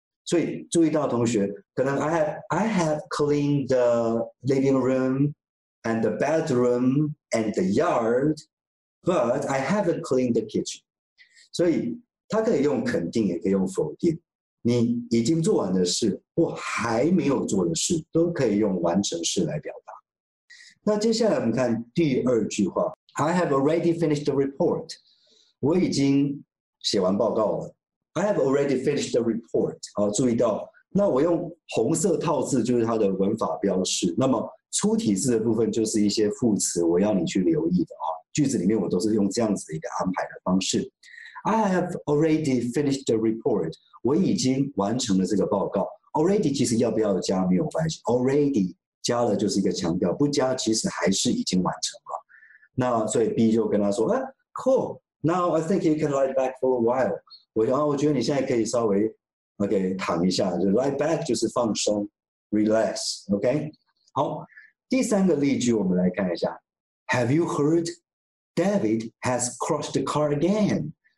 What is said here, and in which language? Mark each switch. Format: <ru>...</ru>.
<zh>所以注意到同学，可能</zh> <en>I have cleaned the living roomand the bedroom and the yard, but I haven't cleaned the kitchen.</en> <zh>所以他可以用肯定，也可以用否定。你已经做完的事或还没有做的事都可以用完成式来表达。那接下来我们看第二句话，</zh> <en>I have already finished the report.</en> <zh>我已经写完报告了，</zh> <en>I have already finished the report.</en> <zh>好，注意到那我用红色套字就是它的文法标示。那么初体字的部分就是一些副词，我要你去留意的啊。句子里面我都是用这样子一个安排的方式。</zh> <en>I have already finished the report.</en> <zh>我已经完成了这个报告。 Already 其实要不要加没有关系。Already 加了就是一个强调，不加其实还是已经完成了。那所以 B 就跟他说，哎、，</zh> <en>Cool. Now I think you can lie back for a while.</en> <zh>我觉得你现在可以稍微 OK 躺一下，就</zh> <en>lie back</en> <zh>就是放松 ，</zh> <en>relax. OK.</en> <zh>好，第三个例句我们来看一下。</zh> <en>Have you heard David has crashed the car again？</en>